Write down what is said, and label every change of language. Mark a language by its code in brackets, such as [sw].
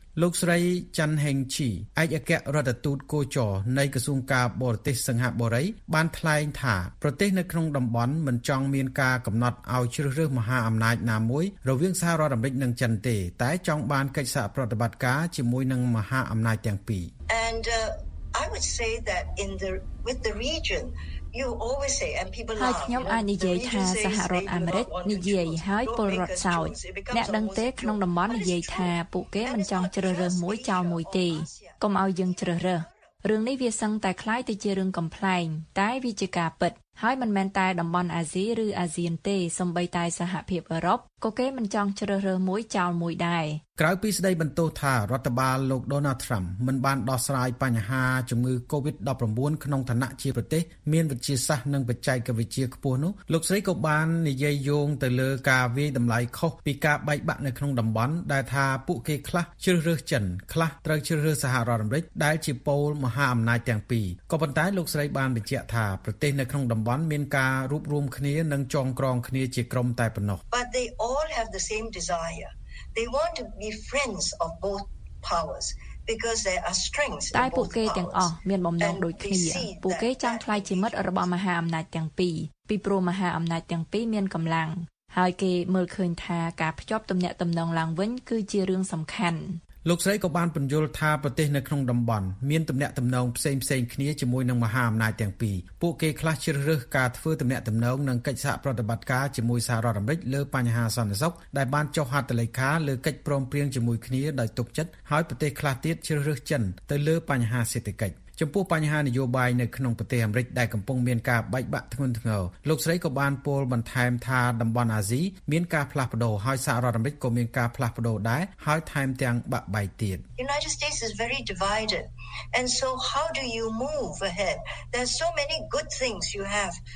[km] លោកស្រីចាន់ហេងឈីឯកអគ្គរដ្ឋទូតគូចរនៃក្រសួងការបរទេសសិង្ហបុរីបានថ្លែងថាប្រទេសនៅក្នុងតំបន់មិនចង់មានការកំណត់ឲ្យជ្រើសរើសមហាអំណាចណាមួយរវាងសហរដ្ឋអាមេរិកនិងចិនទេតែចង់បានកិច្ចសហប្រតិបត្តិការជាមួយនឹងមហាអំណាចទាំងពីរ [en] And I would say that in the with the region you always say and people [km] ហើយខ្ញុំអាចនិយាយថាសហរដ្ឋអាមេរិកនិយាយហើយពលរដ្ឋសោចអ្នកដឹងទេក្នុងតំបន់និយាយថាពួកគេមិនចង់ជ្រើសរើសមួយចោលមួយទេកុំឲ្យយើងជ្រើសរើសរឿងនេះវាសឹងតែខ្លាយទៅជារឿងកំ្លែងតែវាជាការពិតហើយមិនមែនតែតំបន់អាស៊ីឬអាស៊ានទេសំបីតែសហភាពអឺរ៉ុបក៏គេមិនចង់ជ្រើសរើសមួយចោលមួយដែរ ក្រៅពីស្ដីបន្ទោសថារដ្ឋបាលលោក Donald Trump មិនបានដោះស្រាយបញ្ហាជំងឺ COVID-19 ក្នុងឋានៈជាប្រទេសមានវិទ្យាសាស្ត្រនិងបច្ចេកវិទ្យាខ្ពស់នោះលោកស្រីក៏បាននិយាយយោងទៅលើការវាយតម្លៃខុសពីការបែកបាក់នៅក្នុងតំបន់ដែលថាពួកគេខ្លះជ្រើសរើសចិនខ្លះត្រូវជ្រើសរើសសហរដ្ឋអាមេរិកដែលជាពូលមហាអំណាចទាំងពីរក៏ប៉ុន្តែលោកស្រីបានបញ្ជាក់ថាប្រទេសនៅក្នុងតំបន់មានការរួបរួមគ្នានិងចងក្រងគ្នាជាក្រុមតែប៉ុណ្ណោះ [en] But they all have the same desireThey want to be friends of both powers because there are strengths in both powers. [km] តែពួកគេទាំងអស់មានបំណងដូចគ្នាពួកគេចង់ខ្លាយជាមិត្តរបស់មហាអំណាចទាំងពីរពីព្រោះមហាអំណាចទាំងពីរមានកម្លាំងហើយគេមើលឃើញថាការភ្ជាប់ទំនាក់ទំនងឡើងវិញគឺជារឿងសំខាន់ លោកស្រីក៏បានពន្យល់ថាប្រទេសនៅក្នុងតំបន់មានទំនាក់ទំនងផ្សេងៗគ្នាជាមួយនឹងមហាអំណាចទាំងពីរពួកគេខ្លះជ្រើសរើសការធ្វើទំនាក់ទំនងនិងកិច្ចសហប្រតិបត្តិការជាមួយសហរដ្ឋអាមេរិកលើបញ្ហាសន្តិសុខដែលបានចុះហត្ថលេខាលើកិច្ចព្រមព្រៀងជាមួយគ្នាដោយទុកចិត្តហើយប្រទេសខ្លះទៀតជ្រើសរើសចិន ទៅលើបញ្ហាសេដ្ឋកិច្ចចំពោះបញ្ហានយោបាយនៅក្នុងប្រទេសអាមេរិកដែលកំពុងមានការបែកបាក់ធ្ងន់ធ្ងរលោកស្រីក៏បានពោលបន្ថែមថាតំបន់អាស៊ីមានការផ្លាស់ប្ដូរហើយសហរដ្ឋអាមេរិកក៏មានការផ្លាស់ប្ដូរដែរហើយថែមទាំងបាក់បែកទៀត [en] United States is very divided and so how do you move ahead there's so many good things you have